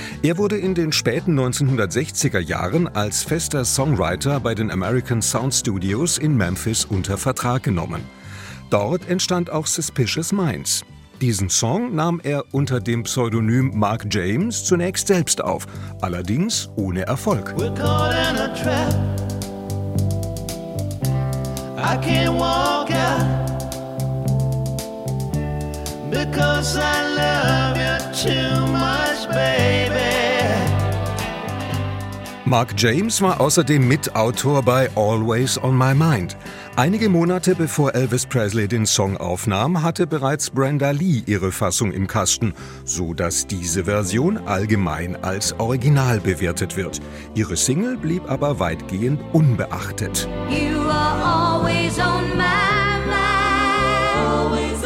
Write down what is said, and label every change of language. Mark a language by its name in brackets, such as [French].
[German] Er wurde in den späten 1960er Jahren als fester Songwriter bei den American Sound Studios in Memphis unter Vertrag genommen. Dort entstand auch Suspicious Minds. Diesen Song nahm er unter dem Pseudonym Mark James zunächst selbst auf, allerdings ohne Erfolg. [English] We're caught in a trap. I can't walk out because I love you too much, baby. [German] Mark James war außerdem Mitautor bei Always on My Mind. Einige Monate bevor Elvis Presley den Song aufnahm, hatte bereits Brenda Lee ihre Fassung im Kasten, sodass diese Version allgemein als Original bewertet wird. Ihre Single blieb aber weitgehend unbeachtet. [English] You are always on my mind.